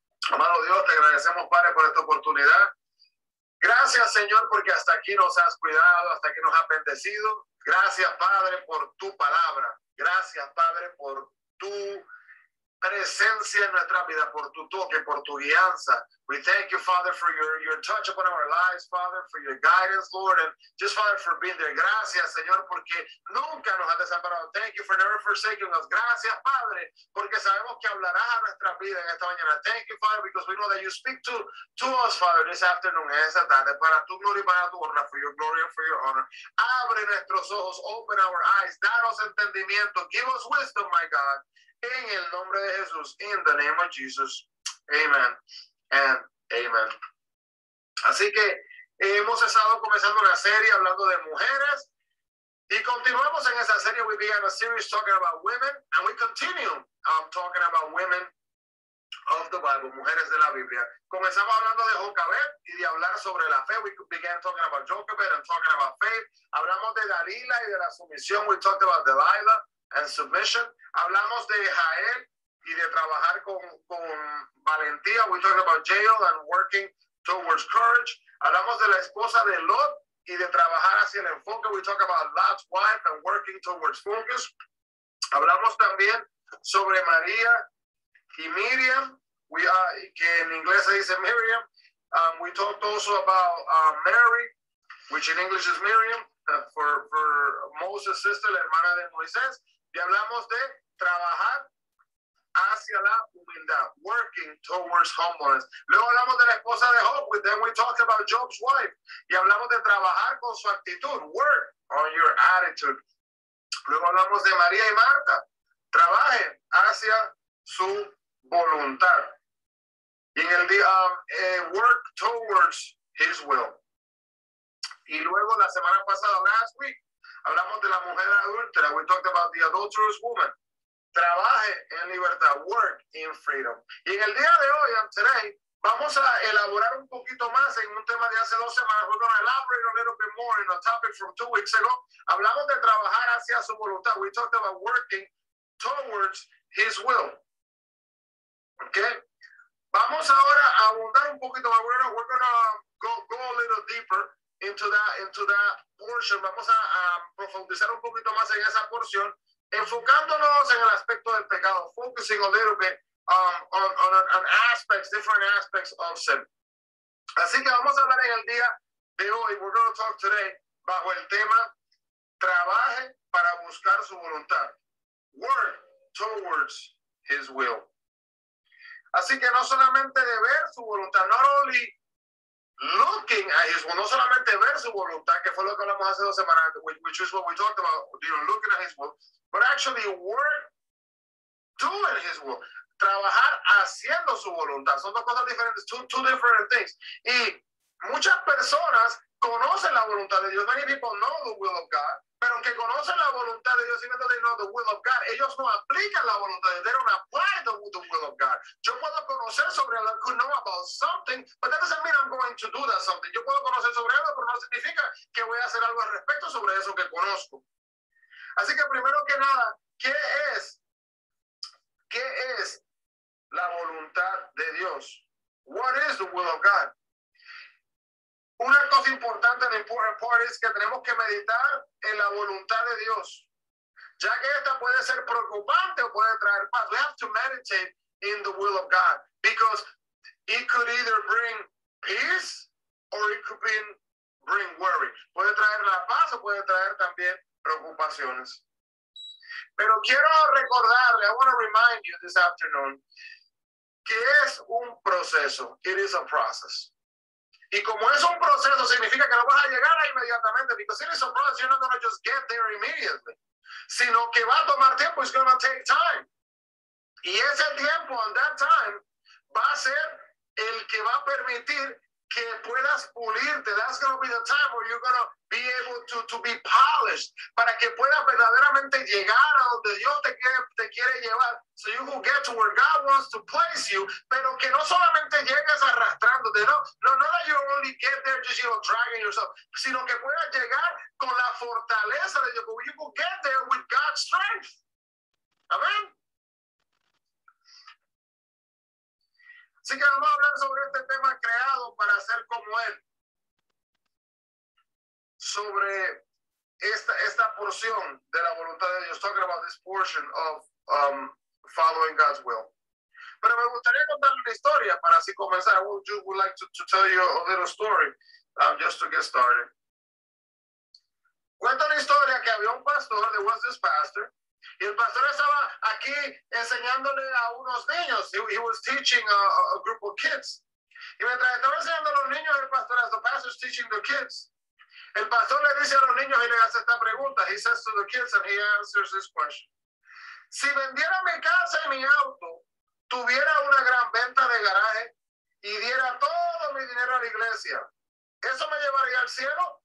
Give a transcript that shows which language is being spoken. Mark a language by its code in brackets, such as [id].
[es] Amado Dios, te agradecemos, Padre, por esta oportunidad. Gracias, Señor, porque hasta aquí nos has cuidado, hasta aquí nos has bendecido. Gracias, Padre, por tu palabra. Gracias, Padre, por tu presencia en nuestra vida, por tu toque, por tu guianza. [en] We thank you, Father, for your touch upon our lives, Father, for your guidance, Lord, and just, Father, for being there. [es] Gracias, Señor, porque nunca nos has desamparado. [en] Thank you for never forsaking us. [es] Gracias, Padre, porque sabemos que hablarás a nuestra vida en esta mañana. [en] Thank you, Father, because we know that you speak to us, Father, this afternoon, [es] en esta tarde, para tu gloria y para tu honra, [en] for your glory and for your honor. [es] Abre nuestros ojos, [en] open our eyes, [es] danos entendimiento, [en] give us wisdom, my God, [es] en el nombre de Jesús, [en] in the name of Jesus, amen. Amén. [es] Así que hemos estado comenzando una serie hablando de mujeres y continuamos en esa serie. [en] We began a series talking about women and we continue talking about women of the Bible, [es] mujeres de la Biblia. Comenzamos hablando de Jocabed y de hablar sobre la fe. [en] We began talking about Jocabed and talking about faith. [es] Hablamos de Dalila y de la sumisión. [en] We talked about Delilah and submission. [es] Hablamos de Jael y de trabajar con valentía. [en] We talked about jail and working towards courage. [es] Hablamos de la esposa de Lot y de trabajar hacia el enfoque. [en] We talked about Lot's wife and working towards focus. [es] Hablamos también sobre María y Miriam. Que en inglés se dice Miriam. [en] We talked also about Mary, which in English is Miriam, for Moses' sister, [es] la hermana de Moisés. Y hablamos de trabajar hacia la humildad, [en] working towards humbleness. [es] Luego hablamos de la esposa de Job, [en] then we talked about Job's wife, [es] y hablamos de trabajar con su actitud, [en] work on your attitude. [es] Luego hablamos de María y Marta, trabaje hacia su voluntad. Y en el día, [en] work towards his will. [es] Y luego la semana pasada, [en] last week, [es] hablamos de la mujer adúltera, [en] we talked about the adulterous woman. [es] Trabaje en libertad, [en] work in freedom. [es] Y en el día de hoy, [en] and today, [es] vamos a elaborar un poquito más en un tema de hace dos semanas. [en] We're going to elaborate a little bit more in a topic from 2 weeks ago. [es] Hablamos de trabajar hacia su voluntad. [en] We talked about working towards his will. Okay? [es] Vamos ahora a abundar un poquito más. [en] We're going to go a little deeper into that portion. [es] Vamos a profundizar un poquito más en esa porción. Enfocándonos en el aspecto del pecado, [en] focusing a little bit on aspects, different aspects of sin. [es] Así que vamos a hablar en el día de hoy, [en] we're going to talk today, [es] bajo el tema, trabaje para buscar su voluntad. [en] Work towards his will. [es] Así que no solamente de ver su voluntad, [en] not only looking at his will, [es] no solamente ver su voluntad, que fue lo que hablamos hace dos semanas, [en] which is what we talked about, you know, looking at his will, but actually work doing his will, [es] trabajar haciendo su voluntad. Son dos cosas diferentes, [en] two different things. [es] Y muchas personas conocen la voluntad de Dios. [en] Many people know the will of God, [es] pero aunque conocen la voluntad de Dios, [en] even though they know the will of God, [es] ellos no aplican la voluntad de Dios. [en] They don't apply the will of God. [es] Yo puedo conocer sobre algo, [en] I could know about something, but that doesn't mean I'm going to do that something. [es] Yo puedo conocer sobre algo, pero no significa que voy a hacer algo al respecto sobre eso que conozco. Así que primero que nada, ¿qué es la voluntad de Dios? [en] What is the will of God? [es] Una cosa importante, [en] the important part, [es] es que tenemos que meditar en la voluntad de Dios, ya que esta puede ser preocupante o puede traer paz. [en] We have to meditate in the will of God because it could either bring peace or it could bring bring worry. [es] Puede traer la paz o puede traer también preocupaciones. Pero quiero recordarle, [en] I want to remind you this afternoon, [es] que es un proceso. [en] It is a process. [es] Y como es un proceso, significa que no vas a llegar ahí inmediatamente. [en] Because it is a process, you're not going to just get there immediately. [es] Sino que va a tomar tiempo. [en] It's going to take time. [es] Y ese tiempo, [en] and that time, [es] va a ser el que va a permitir que puedas pulirte. [en] That's going to be the time where you're going to be able to be polished. [es] Para que puedas verdaderamente llegar a donde Dios te quiere llevar. [en] So you will get to where God wants to place you. [es] Pero que no solamente llegues arrastrándote. [en] No that you only get there just you know, dragging yourself. [es] Sino que puedas llegar con la fortaleza de Dios. [en] You will get there with God's strength. [es] Amén. Así que vamos a hablar sobre este tema creado para ser como Él. Sobre esta porción de la voluntad de Dios. [en] Talking about this portion of following God's will. [es] Pero me gustaría contarle una historia para así comenzar. [en] Would like to tell you a little story just to get started. [es] Cuento una historia que había un pastor, [en] there was this pastor. [es] Y el pastor estaba aquí enseñándole a unos niños. [en] He was teaching a group of kids. [es] Y mientras estaba enseñando a los niños, el pastor, [en] as the pastor is teaching the kids, [es] el pastor le dice a los niños y le hace esta pregunta. [en] He says to the kids and he answers this question. [es] Si vendiera mi casa y mi auto, tuviera una gran venta de garaje y diera todo mi dinero a la iglesia, ¿eso me llevaría al cielo?